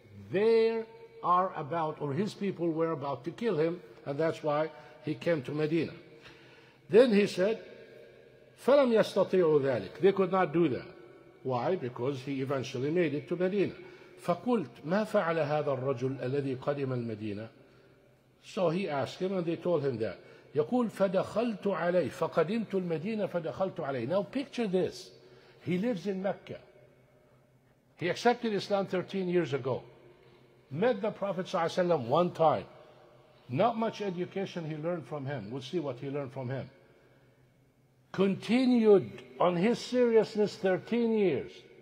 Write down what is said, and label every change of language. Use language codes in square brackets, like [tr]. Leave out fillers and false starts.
[en] They are about, or his people were about to kill him, and that's why he came to Medina. Then he said, [ar] فَلَمْ يَسْتَطِيعُ ذَلِكَ. [en] They could not do that. Why? Because he eventually made it to Medina. [ar] فَقُلْتْ مَا فَعَلَ هَذَا الرَّجُلْ الَّذِي قَدِمَ الْمَدِينَةِ. [en] So he asked him, and they told him that. [ar] يقول فدخلت عليه فقدمت المدينة فدخلت عليه. [en] Now picture this. He lives in Mecca. He accepted Islam 13 years ago. Met the Prophet Sallallahu Alaihi Wasallam one time. Not much education he learned from him. We'll see what he learned from him. Continued on his seriousness 13 years.